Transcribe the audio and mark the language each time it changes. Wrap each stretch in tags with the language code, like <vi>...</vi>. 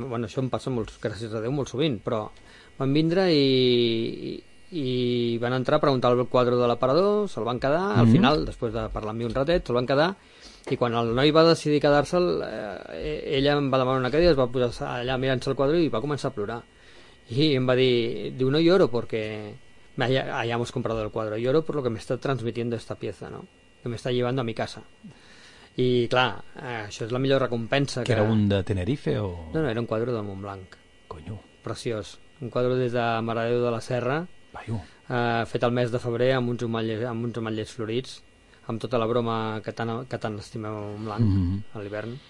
<ca>Bueno, això em passa, gràcies a Déu, molt sovint, però van vindre i van entrar a preguntar el quadre de l'aparador, se'l van quedar, al final, després de parlar amb mi un ratet, se'l van quedar, i quan el noi va decidir quedar-se'l, ella em va demanar una cadira, es va posar allà mirant-se el quadre i va començar a plorar. I em va dir, diu,</ca> <es>no lloro perquè hayamos comprado el cuadro, lloro por lo que me está transmitiendo esta pieza, ¿no? Que me está llevando a mi casa.</es> <ca>I clar, això és la millor recompensa. Que era un de Tenerife o...? No, era un quadre de Montblanc.</ca> <es>Coño.</es> <ca>Preciós. Un quadre des de Mare de Déu de la Serra, Baiu. Fet el mes de febrer amb uns ametllers florits, amb tota la broma que tant estimem en blanc a l'hivern.</ca>